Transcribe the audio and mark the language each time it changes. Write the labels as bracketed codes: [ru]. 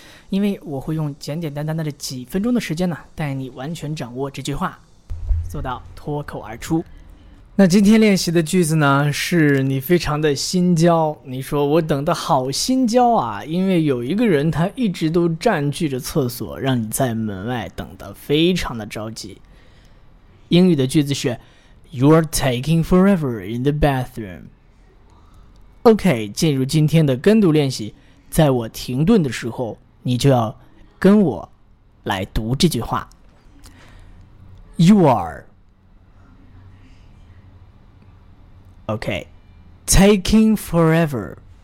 [zh] 因为我会用简简单单的几分钟的时间呢，带你完全掌握这句话，做到脱口而出。那今天练习的句子呢，是你非常的心焦，你说我等得好心焦啊，因为有一个人他一直都占据着厕所，让你在门外等得非常的着急。英语的句子是 [en] You're taking forever in the bathroom. [zh] OK, 进入今天的跟读练习，在我停顿的时候，你就要跟我来读这句话。 [en] Okay, taking forever.